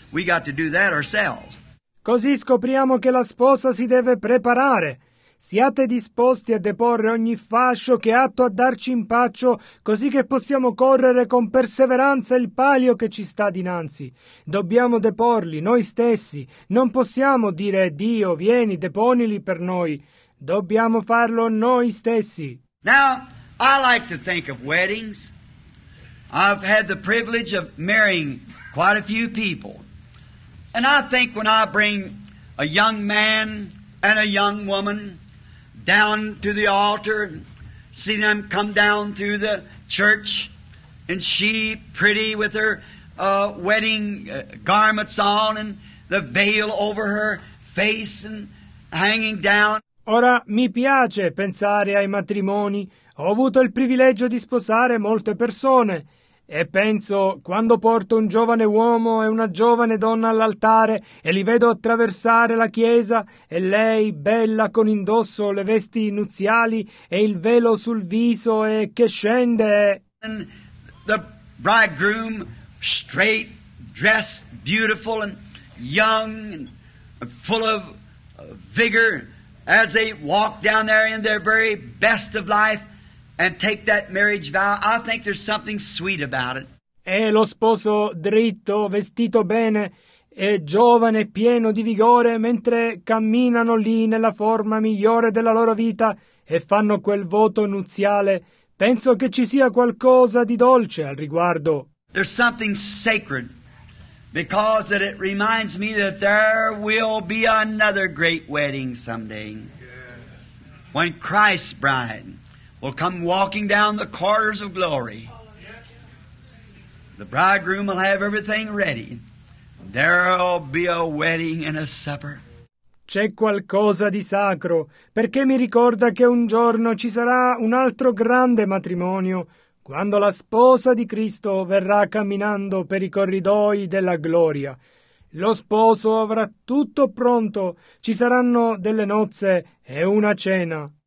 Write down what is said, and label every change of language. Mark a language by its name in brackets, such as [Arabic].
[English] We got to do that ourselves. [Italian] Così scopriamo che la sposa si deve preparare. Siate disposti a deporre ogni fascio che è atto a darci impaccio, così che possiamo correre con perseveranza il palio che ci sta dinanzi. Dobbiamo deporli noi stessi. Non possiamo dire, Dio, vieni, deponili per noi. Dobbiamo farlo noi stessi. [English] Now, I like to think of weddings. I've had the privilege of marrying quite a few people. And I think when I bring a young man and a young woman down to the altar and see them come down through the church and she pretty with her wedding garments on and the veil over her face and hanging down. [Italian] Ora mi piace pensare ai matrimoni. Ho avuto il privilegio di sposare molte persone. E penso, quando porto un giovane uomo e una giovane donna all'altare e li vedo attraversare la chiesa e lei, bella, con indosso le vesti nuziali e il velo sul viso e che scende. [English] And the bridegroom, straight, dressed, beautiful and young and full of vigor as they walk down there in their very best of life. And take that marriage vow. I think there's something sweet about it. [Italian] E lo sposo dritto, vestito bene, e giovane, pieno di vigore, mentre camminano lì nella forma migliore della loro vita e fanno quel voto nuziale. Penso che ci sia qualcosa di dolce al riguardo. [English] There's something sacred, because it reminds me that there will be another great wedding someday, when Christ's bride will come walking down the corridors of glory. The bridegroom will have everything ready. There'll be a wedding and a supper. [Italian] C'è qualcosa di sacro, perché mi ricorda che un giorno ci sarà un altro grande matrimonio, quando la sposa di Cristo verrà camminando per i corridoi della gloria. Lo sposo avrà tutto pronto, ci saranno delle nozze e una cena.